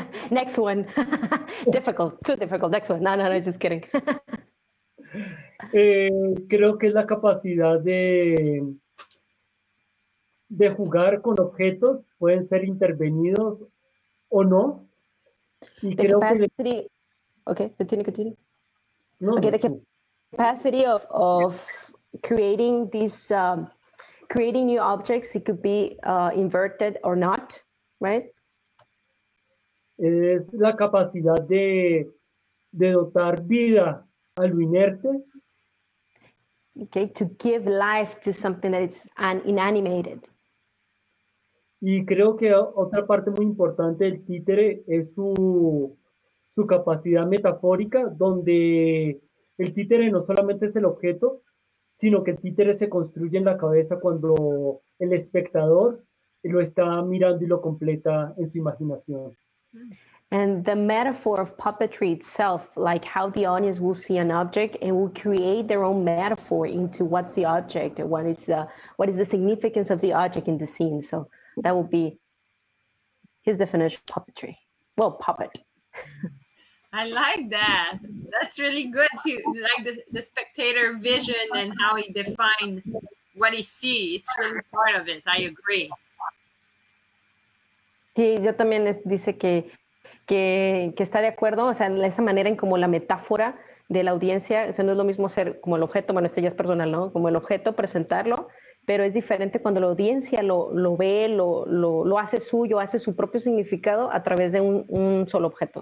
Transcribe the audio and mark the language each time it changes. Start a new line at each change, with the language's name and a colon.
English: Next one. Difficult. Too difficult. Next one. No, just kidding.
Spanish: creo que es la capacidad de jugar con objetos, pueden ser intervenidos o no. Y the creo capacity, que okay, continue. No, okay, no,
English: the capacity of creating these creating new objects, it could be inverted or not, right?
Spanish: Es la capacidad de dotar vida a lo inerte.
English: Okay, to give life to something that is inanimate.
Spanish: Y creo que otra parte muy importante del títere es su capacidad metafórica, donde el títere no solamente es el objeto, sino que el títere se construye en la cabeza cuando el espectador lo está mirando y lo completa en su imaginación.
English: And the metaphor of puppetry itself, like how the audience will see an object and will create their own metaphor into what's the object and what is the significance of the object in the scene. So that will be his definition of puppetry. Well, puppet. I like that. That's really good too, like the spectator vision and how he define what he see. It's really part of it. I agree.
Spanish: Sí, yo también les dice que está de acuerdo, o sea, esa manera en como la metáfora de la audiencia, o sea, no es lo mismo ser como el objeto, bueno, esto ya es personal, ¿no? Como el objeto, presentarlo, pero es diferente cuando la audiencia lo ve, lo hace suyo, hace su propio significado a través de un solo objeto.